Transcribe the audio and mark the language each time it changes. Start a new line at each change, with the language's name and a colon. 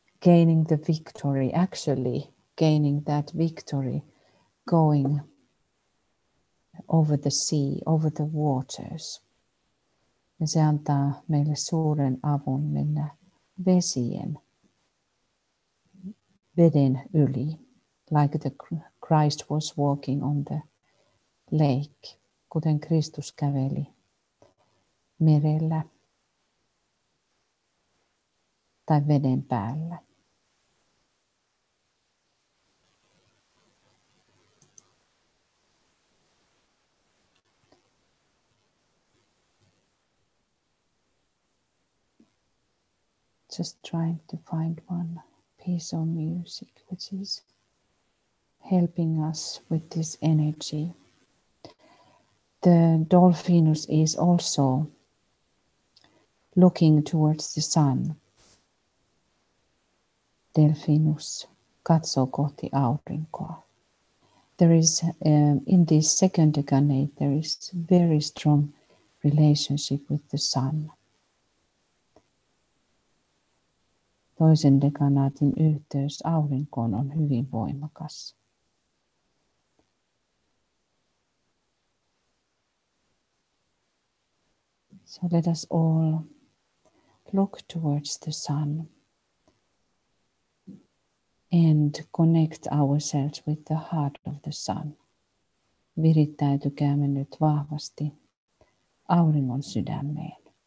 English: Gaining the victory, actually gaining that victory, going over the sea, over the waters.
Finnish: Ja se antaa meille suuren avun mennä veden yli,
English: like the Christ was walking on the lake,
Finnish: kuten Kristus käveli merellä tai veden päällä.
English: Just trying to find one piece of music which is helping us with this energy. The Dolphinus is also looking towards the sun.
Finnish: Delfinus katsoo kohti aurinkoa.
English: There is in this second decanate there is very strong relationship with the sun.
Finnish: Toisen dekanaatin yhteys aurinkoon on hyvin voimakas.
English: So let us all look towards the sun and connect ourselves with the heart of the sun.
Finnish: Virittäytykäämme nyt vahvasti auringon sydämeen.